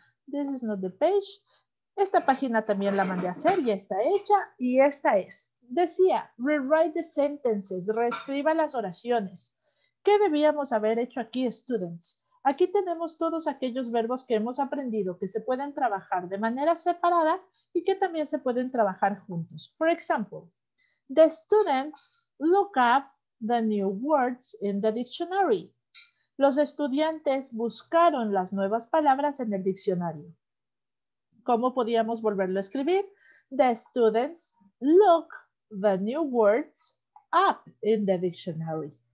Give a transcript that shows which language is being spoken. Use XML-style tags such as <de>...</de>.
<en>This is not the page.</en> <es>Esta página también la mandé a hacer, ya está hecha. Y esta es. Decía,</es> <en>rewrite the sentences,</en> <es>reescriba las oraciones. ¿Qué debíamos haber hecho aquí, students? Aquí tenemos todos aquellos verbos que hemos aprendido que se pueden trabajar de manera separada y que también se pueden trabajar juntos.</es> <en>For example, the students look up the new words in the dictionary.</en> <es>Los estudiantes buscaron las nuevas palabras en el diccionario. ¿Cómo podíamos volverlo a escribir?</es> <en>The students look the new words up in the dictionary.</en>